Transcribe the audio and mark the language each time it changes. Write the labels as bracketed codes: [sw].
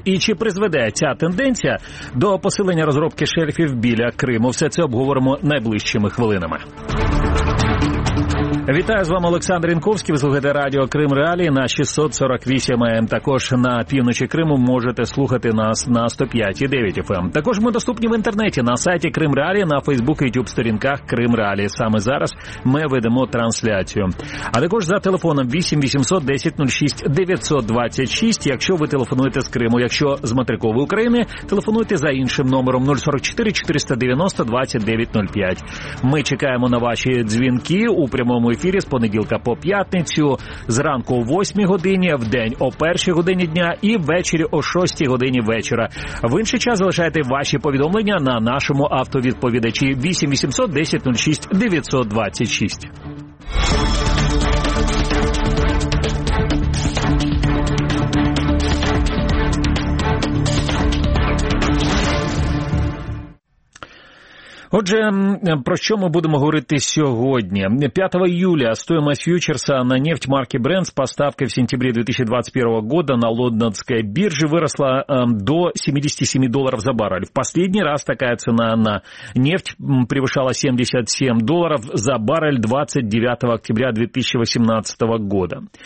[uk] І чи призведе ця тенденція до посилення розробки шельфів біля Криму? Все це обговоримо найближчими хвилинами. Вітаю, з вами Олександр Янковський, ви слухаєте радіо «Крим Реалії» на 648 АМ. Також на півночі Криму можете слухати нас на 105,9 FM. Також ми доступні в інтернеті на сайті «Крим Реалії», на Facebook і YouTube сторінках «Крим Реалії». Саме зараз ми ведемо трансляцію. А також за телефоном 8 800 10 06 926, якщо ви телефонуєте з Криму. Якщо з материкової України, телефонуйте за іншим номером 044 490 2905. Ми чекаємо на ваші дзвінки у прямому ефірі з понеділка по п'ятницю, зранку о 8 годині, в день о 1 годині дня і ввечері о 6 годині вечора. В інший час залишайте ваші повідомлення на нашому автовідповідачі 8 800 10 06 926. Отже, про що ми будемо говорити сьогодні? [ru] 5 июля стоїмость фьючерса на нефть марки Brent з поставки в сентябрі 2021 года на лондонской бирже выросла до 77 долларов за баррель. В последний раз такая цена на нефть превышала 77 долларов за баррель 29 октября 2018 года.